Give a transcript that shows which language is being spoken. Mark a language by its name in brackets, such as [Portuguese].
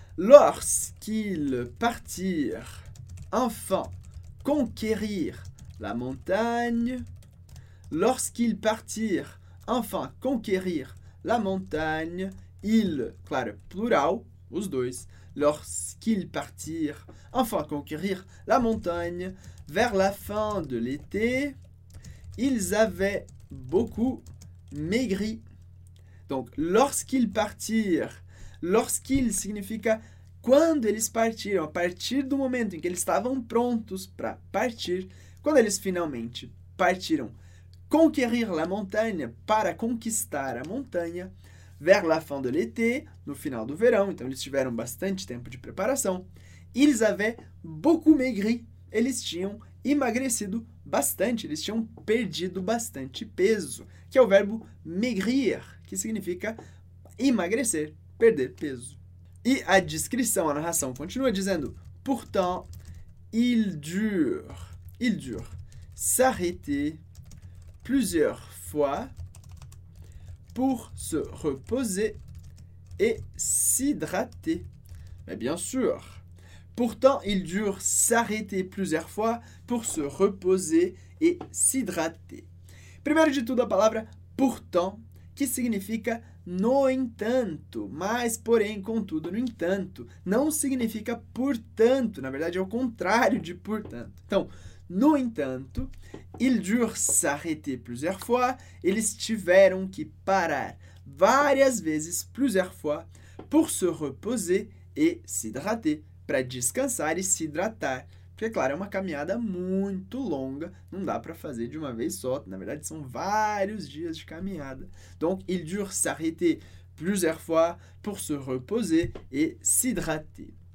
[French] Lorsqu'ils partirent, enfin conquérir la montagne, lorsqu'ils partirent, enfin conquérir la montagne, ils, [Portuguese] claro, plural, os dois, [French] lorsqu'ils partirent, enfin conquérir la montagne, vers la fin de l'été, ils avaient beaucoup maigri. [Portuguese] Donc, lorsqu'ils significa quando eles partiram, a partir do momento em que eles estavam prontos para partir. Quando eles finalmente partiram [French] conquérir la montagne, [Portuguese] para conquistar a montanha, [French] vers la fin de l'été, [Portuguese] no final do verão, então eles tiveram bastante tempo de preparação, [French] Ils avaient beaucoup maigri. [Portuguese] Eles tinham emagrecido bastante. Eles tinham perdido bastante peso. Que é o verbo maigrir, que significa emagrecer, perder peso. E a descrição, a narração continua dizendo: [French] Pourtant, il dure s'arrêter plusieurs fois pour se reposer et s'hydrater. Mais bien sûr. Pourtant, il dure s'arrêter plusieurs fois pour se reposer et s'hydrater. [Portuguese] Primeiro de tudo, a palavra pourtant, que significa no entanto, mas porém, contudo, no entanto. Não significa portanto, na verdade é o contrário de portanto. Então, no entanto, [French] il dure s'arrêter plusieurs fois, [Portuguese] eles tiveram que parar várias vezes, [French] plusieurs fois, pour se reposer et s'hydrater, [Portuguese] para descansar e se hidratar. Porque, claro, é uma caminhada muito longa, não dá para fazer de uma vez só, na verdade são vários dias de caminhada. [French] Donc, il dure s'arrêter plusieurs fois pour se reposer et s'hydrater.